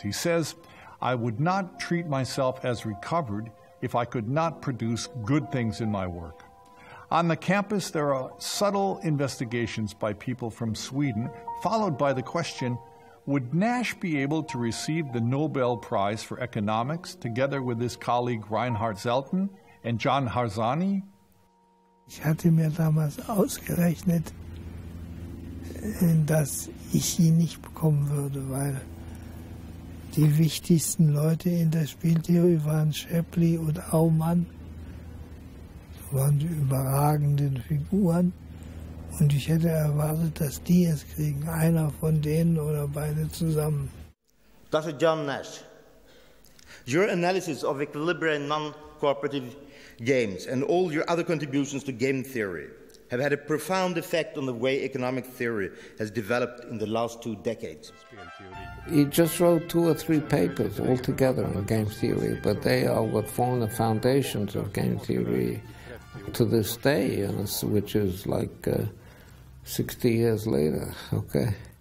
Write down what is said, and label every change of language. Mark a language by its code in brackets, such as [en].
[en] He says, "I would not treat myself as recovered if I could not produce good things in my work." On the campus, there are subtle investigations by people from Sweden, followed by the question, would Nash be able to receive the Nobel Prize for Economics together with his colleague Reinhard Selten and John Harzani? [de] Ich hatte mir damals ausgerechnet, dass ich ihn nicht bekommen würde, weil die wichtigsten Leute in der Spieltheorie waren Shapley und Aumann. Das waren die überragenden Figuren. Und ich hätte erwartet, dass die es kriegen, einer von denen oder beide zusammen. [en] Dr. John Nash, your analysis of equilibrium and non-cooperative games and all your other contributions to game theory have had a profound effect on the way economic theory has developed in the last two decades. He just wrote two or three papers altogether on game theory, but they are what form the foundations of game theory to this day, which is like 60 years later, okay.